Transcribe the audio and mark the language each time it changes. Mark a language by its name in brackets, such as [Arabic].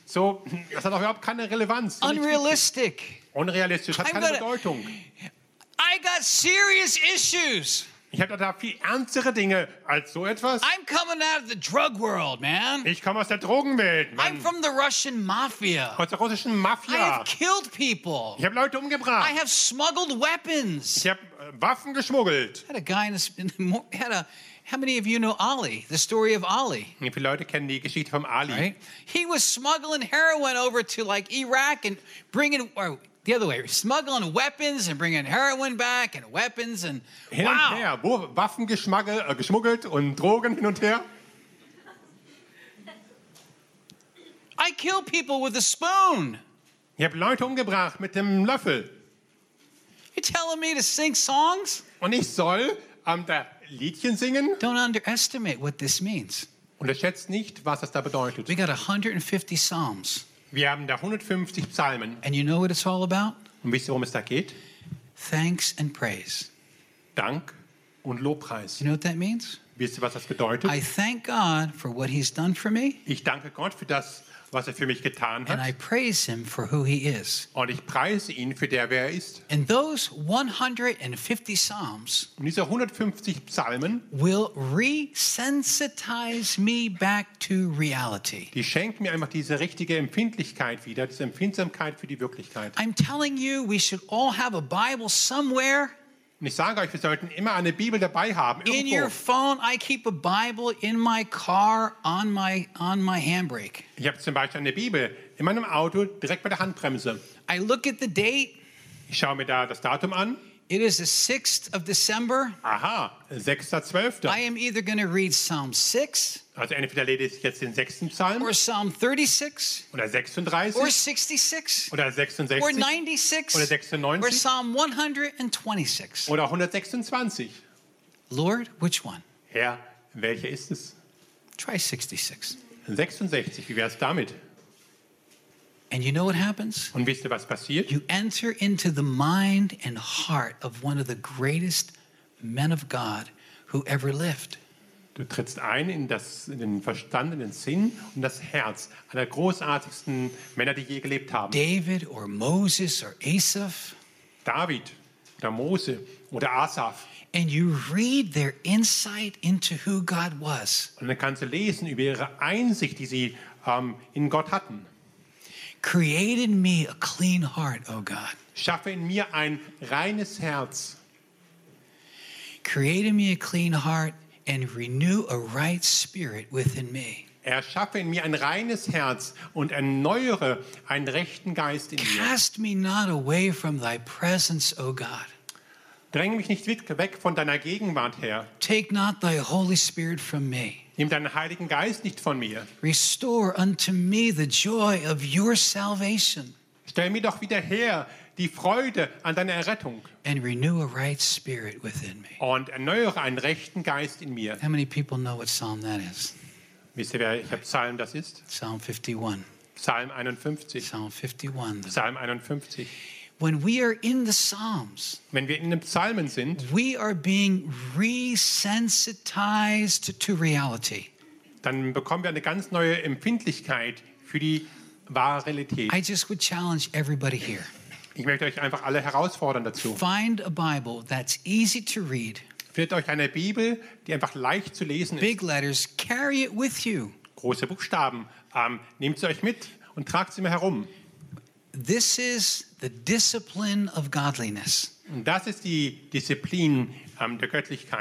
[German] So, das hat auch überhaupt keine Relevanz. [English] Unrealistic. [German] Unrealistisch, hat keine Bedeutung. [English] I got serious issues. [German] Ich habe da viel ernstere Dinge als so etwas. [English] I'm coming out of the drug world, man. [German] Ich komme aus der Drogenwelt, Mann. [English] I'm from the Russian mafia. [German] Aus der russischen Mafia. [English] I have killed people. [German] Ich habe Leute umgebracht. [English] I have smuggled weapons. [German] Ich habe Waffen geschmuggelt. [English] Had a guy in the, had a, how many of you know Ali? The story of Ali. [German] Wie viele Leute kennen die Geschichte vom Ali? [English] Right? He was smuggling heroin over to like Iraq and bringing. The other way, smuggling weapons and bringing heroin back and weapons and [German] hin und wow. Her, wo Waffen geschmuggelt und Drogen hin und her. [English] I kill people with a spoon. [German] Ich habe Leute umgebracht mit dem Löffel. [English] You're telling me to sing songs? [German] Und ich soll da Liedchen singen? [English] Don't underestimate what this means. [German] Unterschätzt nicht, was das da bedeutet. [English] We got 150 Psalms. [German] Wir haben da 150 Psalmen. [English] And you know what it's all about? [German] Und wisst ihr, worum es da geht? [English] Thanks and praise. [German] Dank und Lobpreis. [English] You know what that means? [German] Wisst ihr, was das bedeutet? [English] I thank God for what he's done for me. [German] Ich danke Gott für das, was er für mich getan hat. [English] And I praise him for who he is. [German] Und ich preise ihn für der, wer er ist. [English] And those 150 Psalms, [German] und diese 150 Psalmen, [English] will resensitize me back to reality. [German] Die schenken mir einfach diese richtige Empfindlichkeit wieder, diese Empfindsamkeit für die Wirklichkeit. [English] I'm telling you, we should all have a Bible somewhere. [German] Und ich sage euch, wir sollten immer eine Bibel dabei haben, irgendwo. [English] In your phone, I keep a Bible in my car on my handbrake. [German] Ich habe zum Beispiel eine Bibel in meinem Auto direkt bei der Handbremse. [English] I look at the date. [German] Ich schaue mir da das Datum an. [English] It is the 6th of December. [German] Aha, 6.12. [English] I am either going to read Psalm 6. [German] Also entweder lese ich jetzt den 6. Psalm. [English] Or Psalm 36. [German] Oder 36. [English] Or 66. [German] Oder 66. [English] Or 96. [German] Oder 96. [English] Or Psalm 126. [German] Oder 126. [English] Lord, which one? [German] Herr, welcher ist es? [English] Try 66. [German] 66, wie wär's damit? [English] And you know what happens? [German] Und wisst ihr, was passiert? [English] You enter into the mind and heart of one of the greatest men of God who ever lived. [German] Du trittst ein in das, in den Verstand, in den Sinn und das Herz einer großartigsten Männer, die je gelebt haben. [English] David or Moses or Asaph. [German] David oder Mose oder Asaph. [English] And you read their insight into who God was. [German] Und dann kannst du lesen über ihre Einsicht, die sie in Gott hatten. [English] Create in me a clean heart, O God. [German] Schaffe in mir ein reines Herz. [English] Create in me a clean heart and renew a right spirit within me. [German] Erschaffe in mir ein reines Herz und erneuere einen rechten Geist in mir. [English] Cast me not away from thy presence, O God. [German] Dränge mich nicht weg von deiner Gegenwart, Herr. [English] Take not thy Holy Spirit from me. [German] Nimm deinen Heiligen Geist nicht von mir. [English] Restore unto me the joy of your salvation. [German] Stell mir doch wieder her die Freude an deiner Errettung. [English] And renew a right spirit within me. [German] Und erneuere einen rechten Geist in mir. [English] How many people know what Psalm that is? [German] Wisst ihr, welcher Psalm das ist? [English] Psalm 51. [German] Psalm 51. [English] Psalm 51. [German] Psalm 51. [English] When we are in the Psalms, [German] wenn wir in den Psalmen sind, [English] we are being resensitized to reality. [German] Dann bekommen wir eine ganz neue Empfindlichkeit für die wahre Realität. [English] I just would challenge everybody here. [German] Ich möchte euch einfach alle herausfordern dazu. [English] Find a Bible that's easy to read. [German] Findet euch eine Bibel, die einfach leicht zu lesen ist. [English] Big letters, carry it with you. [German] Große Buchstaben, nehmt sie euch mit und tragt sie immer herum. [English] This is the discipline of godliness. [German] Und das ist die Disziplin der Göttlichkeit.